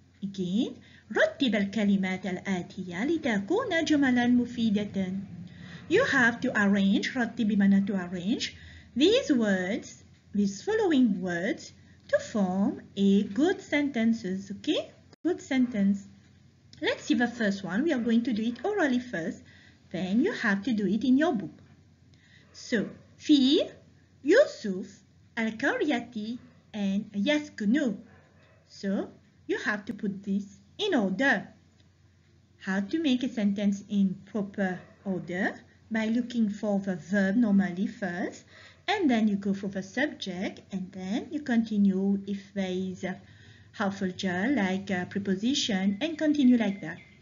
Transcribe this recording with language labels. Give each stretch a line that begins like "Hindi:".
Arabic: Again, رتب الكلمات الآتية لتكون جملا مفيدة.
English: You have to arrange,
Arabic: رتب بمعنى
English: to arrange, these words, these following words to form a good sentences, okay? Good sentence. Let's see the first one. We are going to do it orally first. Then you have to do it in your book.
Arabic: So, في يوسف القرية and يسكنو.
English: So, you have to put this in order. How to make a sentence in proper order? By looking for the verb normally first, and then you go for the subject, and then you continue if there is a helpful gel like a preposition, and continue like that.